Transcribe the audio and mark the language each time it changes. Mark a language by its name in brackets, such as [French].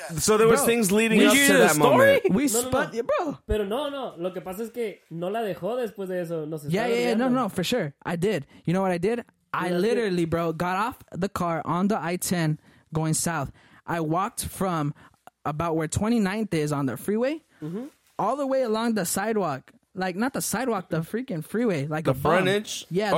[English] So there was things leading up to that moment. We spun, bro. [Spanish] Pero no. Lo que pasa es que no la dejó después de eso. [English] Yeah. No, for sure. I did. You know what I did? I literally, bro, got off the car on the I-10 going south. I walked from about where 29th is on the freeway all the way along the sidewalk. Like, not the sidewalk, the freaking freeway. Like the front edge? Yeah.